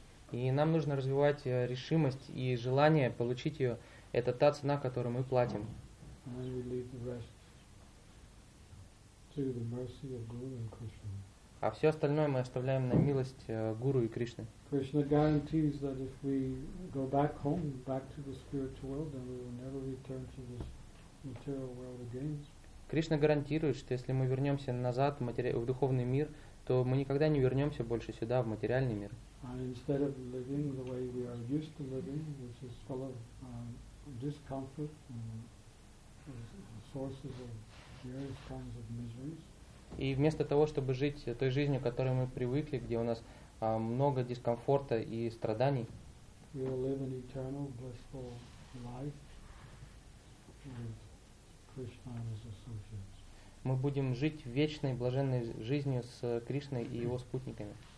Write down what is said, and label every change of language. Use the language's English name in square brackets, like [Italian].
[Russian] И нам нужно развивать решимость и желание получить ее. Это та цена, которую мы платим. [English] And then we leave the rest to the mercy of Guru and Krishna. [Russian] А все остальное мы оставляем на милость Гуру и Кришны. [English] Krishna guarantees that if we go back home, back to the spiritual world, then we will never return to this material world again. [Russian] Кришна гарантирует, что если мы вернемся назад в духовный мир, то мы никогда не вернемся больше сюда, в материальный мир. [English] And instead of living the way we are used to living, which is full of discomfort and sources of various kinds of miseries. [Russian] И вместо того, чтобы жить той жизнью, к которой мы привыкли, где у нас много дискомфорта и страданий, [English] we will live an eternal, blissful life with Krishna and his associates. [Russian] Мы будем жить вечной, блаженной жизнью с Кришной и его спутниками.